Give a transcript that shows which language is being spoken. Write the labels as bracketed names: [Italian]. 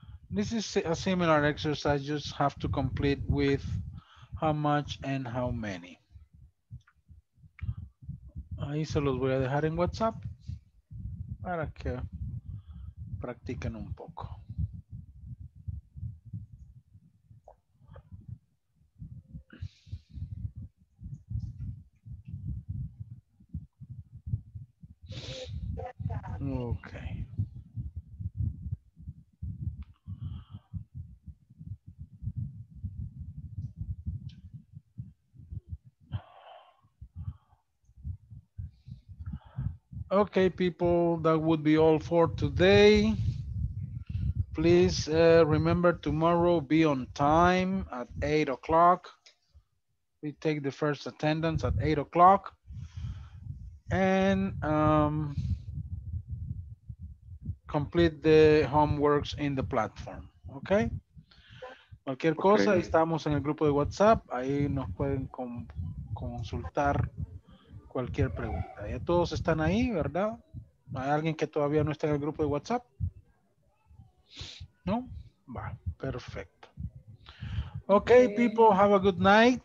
[English] This is a similar exercise, just have to complete with how much and how many. [Spanish] Ahí se los voy a dejar en WhatsApp para que practiquen un poco. [English] Okay. Okay, people, that would be all for today. Please remember tomorrow be on time at 8 o'clock. We take the first attendance at 8 o'clock. And complete the homeworks in the platform, okay? [Spanish] Cualquier cosa, okay. Estamos en el grupo de WhatsApp, ahí nos pueden consultar cualquier pregunta. Ya todos están ahí, ¿verdad? ¿Hay alguien que todavía no está en el grupo de WhatsApp? [English] ¿No? [Spanish] Va, perfecto. [English] Okay, people, have a good night.